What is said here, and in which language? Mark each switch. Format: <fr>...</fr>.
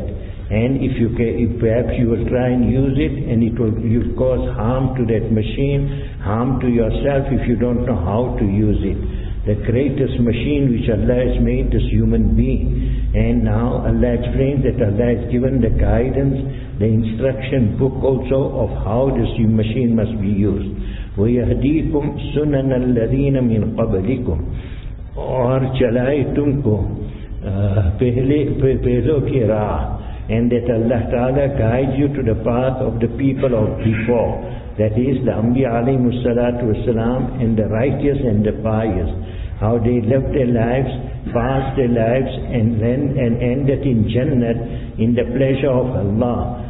<en>And if you can, if perhaps you will try and use it, and it will, you cause harm to that machine, harm to yourself if you don't know how to use it. The greatest machine which Allah has made, this human being. And now Allah explains that Allah has given the guidance, the instruction book also of how this machine must be used.</en> <ar>وَيَهْدِيكُمْ سُنَنَ الَّذِينَ مِنْ قَبْلِكُمْ.</ar> <ur>اور چلائے تم کو پہلوں کی راہ.</ur> <en>And that Allah Ta'ala guides you to the path of the people of before. That is the Anbiya</en> <ar>alayhimu salatu wasalam,</ar> <en>and the righteous and the pious. How they lived their lives, passed their lives, and then and ended in Jannah, in the pleasure of Allah.</en>